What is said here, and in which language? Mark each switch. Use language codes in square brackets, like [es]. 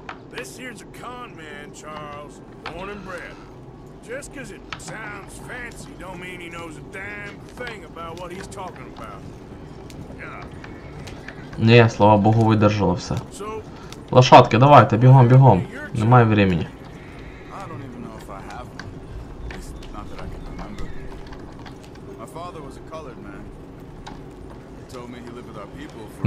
[en] This here's a con man, Charles, born and bred. Just because it sounds fancy don't mean he knows a damn thing about what he's talking about. [ru] Не, слава богу, выдержало все. Лошадки, давайте, бегом, бегом. Немає времени. [en] I don't even know if I have one. At least not that I can remember. My father was a colored man. He told me he lived with our people for...